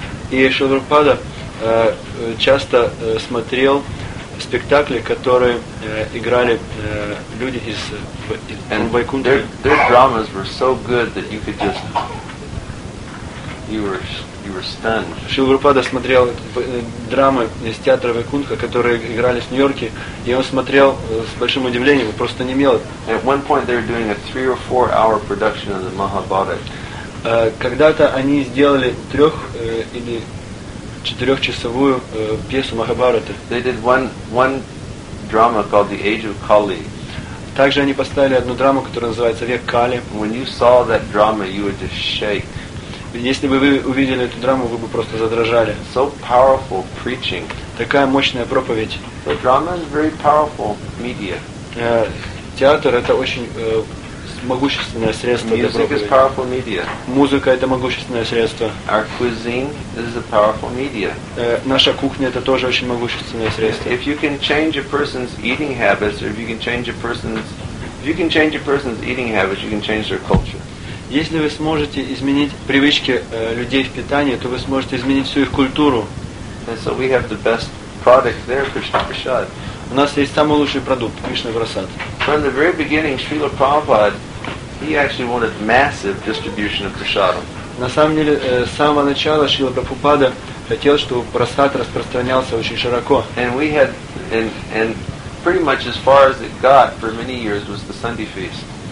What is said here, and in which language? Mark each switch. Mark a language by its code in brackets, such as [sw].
[ru] И Srila Prabhupada часто смотрел спектакли, которые играли люди из Вайкунты. [en] Their dramas were so good that you could just you were stunned. [ru] Шрила Прабхупада смотрел драмы из театра Вайкунха, которые играли в Нью-Йорке, и он смотрел с большим удивлением, просто немело. [en] At one point they were doing a 3 or 4 hour production of the Mahabharata. [ru] Когда-то они сделали трех или 4-часовую пьесу Махабхараты. [en] They did one drama called The Age of Kali. [ru] Также они поставили одну драму, которая называется «Век Кали». [en] When you saw that drama, you would just shake. [ru] Если бы вы увидели эту драму, вы бы просто задрожали. [en] So powerful preaching. [ru] Такая мощная проповедь. [en] The drama is very powerful media. [ru] Театр — это очень могущественное средство [en] Music [ru] для проповеди. [en] Music is powerful media. [ru] Музыка — это могущественное средство. [en] Our cuisine is a powerful media. [ru] Наша кухня — это тоже очень могущественное средство. [en] If you can change a person's eating habits, or if you can change a person's eating habits, you can change their culture. [ru] Если вы сможете изменить привычки людей в питании, то вы сможете изменить всю их культуру. [en] So we have the best product there, Krishna Prasad. [ru] У нас есть самый лучший продукт, Кришна Прасад. [en] From the very beginning, Srila Prabhupada, he actually wanted massive distribution of prasadam. [ru] На самом деле, с самого начала Шрила Прабхупада хотел, чтобы прасад распространялся очень широко. [en] And we had, and pretty much as far as it got for many years was the Sunday feast.